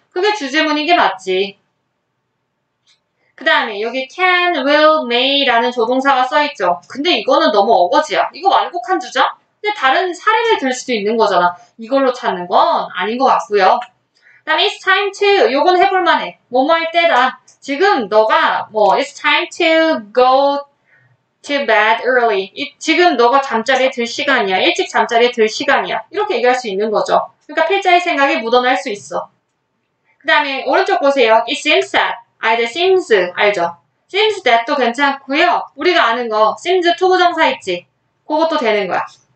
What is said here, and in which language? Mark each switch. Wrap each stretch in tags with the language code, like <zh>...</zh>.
<ko>그게 주제문인 게 맞지. 그 다음에 여기 can, will, may라는 조동사가 써있죠. 근데 이거는 너무 어거지야. 이거 완곡한 주장? 근데 다른 사례를 들 수도 있는 거잖아. 이걸로 찾는 건 아닌 것 같고요. 그 다음에</ko> <en>it's time to,</en> <ko>요건 해볼만해. 뭐뭐 할 때다. 지금 너가 뭐</ko> <en>it's time to go to bed early.</en> <ko>지금 너가 잠자리에 들 시간이야. 일찍 잠자리에 들 시간이야. 이렇게 얘기할 수 있는 거죠. 그러니까 필자의 생각이 묻어날 수 있어. 그 다음에 오른쪽 보세요.</ko> <en>It seems that.</en> <ko>알죠? seems. 알죠? seems that도 괜찮고요. 우리가 아는 거. seems 투부정사 있지? 그것도 되는 거야.</ko>